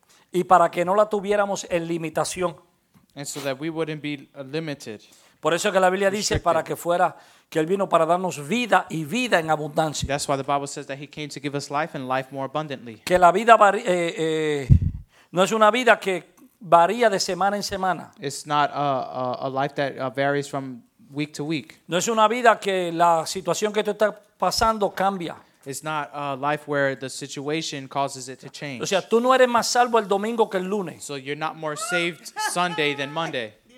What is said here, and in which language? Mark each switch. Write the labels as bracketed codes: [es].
[es] Y para que no la tuviéramos en limitación. [en] And so that we wouldn't be limited. [es] Por eso que la Biblia dice para que fuera que él vino para darnos vida y vida en abundancia. [en] That's why the Bible says that he came to give us life and life more abundantly. [es] Que la vida no es una vida que varía de semana en semana. [en] It's not a life that varies from week to week. [es] No es una vida que la situación que tú estás pasando cambia. [en] It's not a life where the situation causes it to change. [es] O sea, tú no eres más salvo el domingo que el lunes. [en] So you're not more saved Sunday than Monday.